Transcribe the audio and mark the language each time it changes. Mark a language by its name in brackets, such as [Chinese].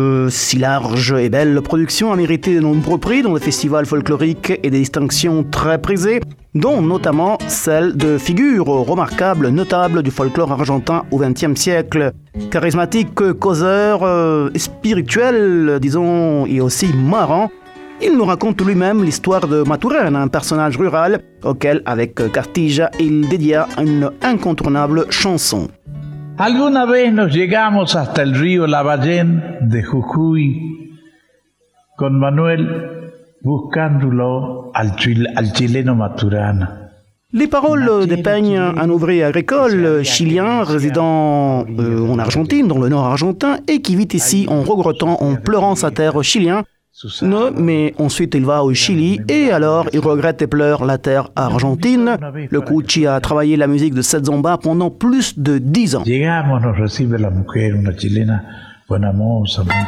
[French] Si large et belle production a mérité de nombreux prix dans des festivals folkloriques et des distinctions très prisées, dont notamment celle de figure remarquable, notable du folklore argentin au XXe siècle. Charismatique, causeur, spirituel, disons, et aussi marrant, il nous raconte lui-même l'histoire de Maturana, un personnage rural auquel, avec Castilla, il dédia une incontournable chanson. [Spanish] Alguna vez nos llegamos hasta el río Lavallén de Jujuy con Manuel buscándolo al chileno Maturana. [French] Les paroles dépeignent un ouvrier agricole chilien résident en Argentine, dans le nord argentin, et qui vit ici en regrettant, en pleurant sa terre chilien. Non, mais ensuite il va au Chili et alors il regrette et pleure la terre argentine. Le Cuchi a travaillé la musique de cette zomba pendant plus de 10 ans. [Spanish] Llegamos, nos recibe la mujer, una chilena, buena moza.